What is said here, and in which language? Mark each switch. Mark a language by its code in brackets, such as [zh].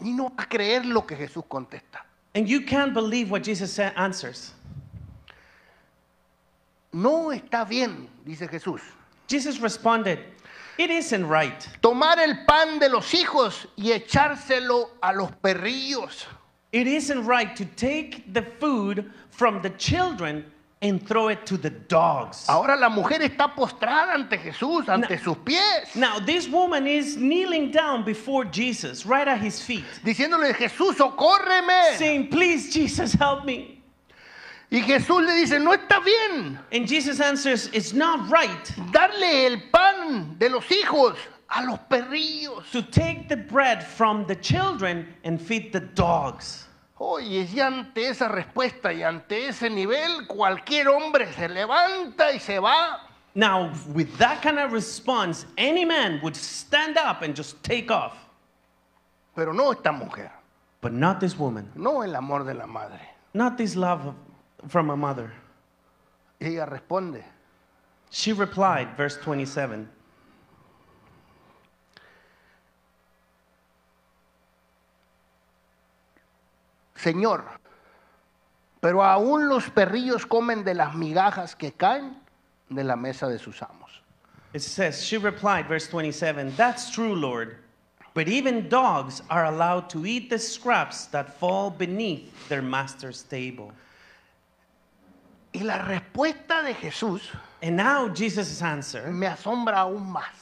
[es] Y no a creer lo que Jesús contesta. [en] And you can't believe what Jesus answers. [es] No está bien, dice Jesús. [en] Jesus responded, it isn't right. [es] Tomar el pan de los hijos y echárselo a los perrillos. [en] It isn't right to take the food from the children and throw it to the dogs. [es] Ahora la mujer está postrada ante Jesús, ante sus pies. [en] Now this woman is kneeling down before Jesus, right at his feet. [es] Diciéndole, Jesús, socórreme. [en] Saying, please, Jesus, help me. [es] Y Jesús le dice, no está bien. [en] And Jesus answers, it's not right. [es] Darle el pan de los hijos a los perrillos. [en] To take the bread from the children and feed the dogs. [es] Oye, y ante esa respuesta y ante ese nivel, cualquier hombre se levanta y se va. [en] Now, with that kind of response, any man would stand up and just take off. [es] Pero no esta mujer. [en] But not this woman. [es] No el amor de la madre. [en] Not this love of from a mother. [es] Ella responde. [en] She replied, verse 27. [es] Señor, pero aún los perrillos comen de las migajas que caen de la mesa de sus amos. [en] It says, she replied, verse 27, that's true, Lord, but even dogs are allowed to eat the scraps that fall beneath their master's table. [es] Y la respuesta de Jesús, [en] and now Jesus' answer, [es] me asombra aún más.